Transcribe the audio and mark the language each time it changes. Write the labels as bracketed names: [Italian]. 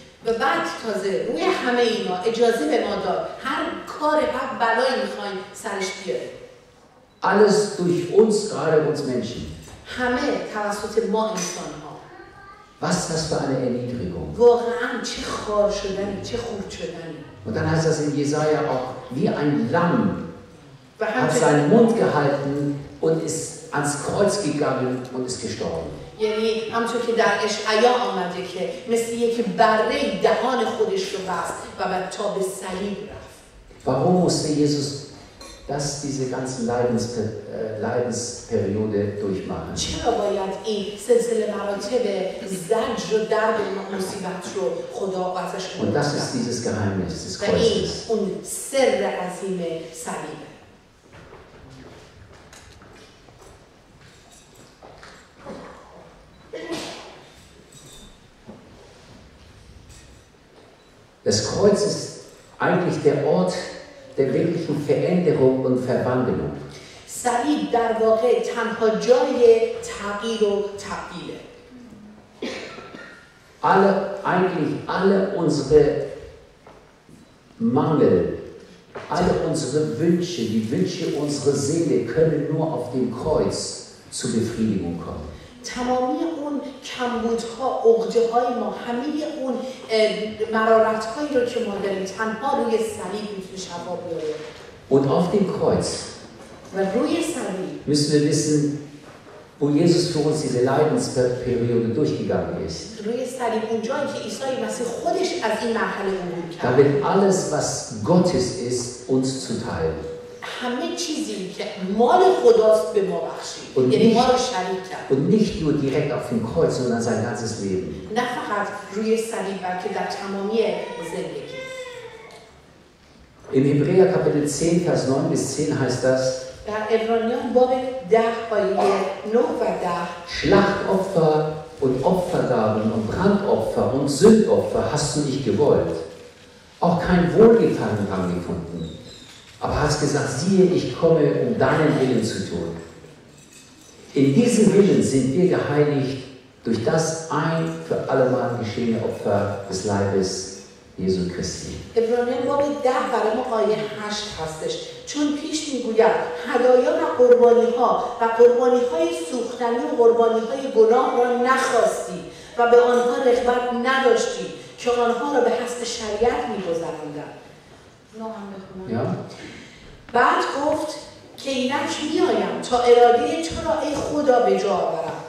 [Persian] و بعد تازه روی همه اینا اجازه به ما داد هر کار هر بلایی میخواییم سرش بیاره. [German] Alles durch uns, gerade uns Menschen. [Persian] همه توسط ما انسان ها. [German] Was das für eine Erniedrigung. [Persian] واقعا چه خوار شدنی، چه خورد شدنی. [German] Und dann heißt das in Jesaja auch, wie ein Lamm hat seinen Mund gehalten und ist ans Kreuz gegangen und ist gestorben. [Persian] یعنی همونطور که در اشعیا آمده که مثل یک بره دهان خودش رو بست و تا به صلیب رفت. [German] Warum musste Jesus das diese ganze Leidensperiode durchmachen? [Persian] چرا باید این سلسله مراتب زجر و درد و مصیبت رو خدا ازش گرفت؟ [German] Und das ist dieses Geheimnis des Kreuzes. [Persian] اون سر عظیم صلیب. [German] Das Kreuz ist eigentlich der Ort der wirklichen Veränderung und Verwandlung. [Persian] صلیب در واقع تنها جای تغییر و تبدیل. [German] Eigentlich alle unsere Mängel, alle unsere Wünsche, die Wünsche unserer Seele können nur auf dem Kreuz zur Befriedigung kommen. [Persian] تمامی اون کمبودها، عقده‌های ما، همه اون مرارت‌هایی رو که ما داریم تنها روی صلیب می‌تونه شفا بیاره. [German] Und auf dem Kreuz. [Persian] و روی صلیب. [German] Müssen wir wissen, wo Jesus für uns diese Leidensperiode durchgegangen ist. [Persian] روی صلیب اونجایی که عیسی مسیح خودش از این مرحله عبور کرد. [German] Damit alles, was Gottes ist, uns zuteil. [Persian] همه چیزی که مال خداست به ما بخشید، یعنی ما رو شریک کرد. [German] Und nicht nur direkt auf dem Kreuz, sondern sein ganzes Leben. [Persian] نه فقط روی صلیب، بلکه در تمامی زندگی. [German] In Hebräer Kapitel 10, Vers 9 bis 10 heißt das: [Persian] در عبرانیان باب 10 آیه 9 و 10 [German] Schlachtopfer und Opfergaben und Brandopfer und Sündopfer hast du nicht gewollt. Auch kein Wohlgefallen haben gefunden. Aber hast gesagt, siehe, ich komme, um deinen Willen zu tun. In diesem Willen sind wir geheiligt durch das ein für alle Mal geschehene Opfer des Leibes Jesu Christi. Ebrahim Bobby, da war immer euer Haschkastisch. [Persian] چون پیش میگوید هدایا و قربانی ها و قربانی های سوختنی و قربانی های گناه را نخواستی و به آنها رغبت نداشتی که آنها را به حسب شریعت میگذروندند. [German] Ja. [Persian] بعد گفت که اینک میایم تا اراده تو را ای خدا به جا آورم.